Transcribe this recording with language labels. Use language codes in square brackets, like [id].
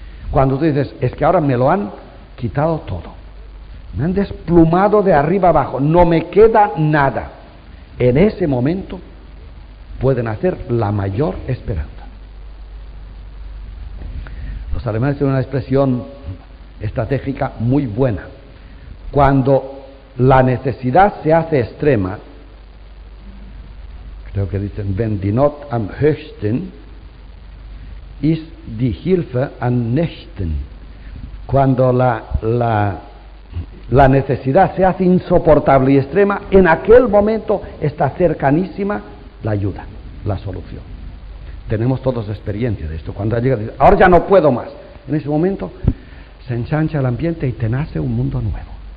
[es] Cuando tú dices, es que ahora me lo han quitado todo, me han desplumado de arriba abajo, no me queda nada, en ese momento pueden hacer la mayor esperanza. Los alemanes tienen una expresión estratégica muy buena. Cuando la necesidad se hace extrema, creo que dicen, [de] wenn die Not am höchsten ist die Hilfe am nächsten. [es] Cuando la necesidad se hace insoportable y extrema, en aquel momento está cercanísima la ayuda, la solución. Tenemos todos experiencia de esto. Cuando llega, dice, ahora ya no puedo más. En ese momento se ensancha el ambiente y te nace un mundo nuevo.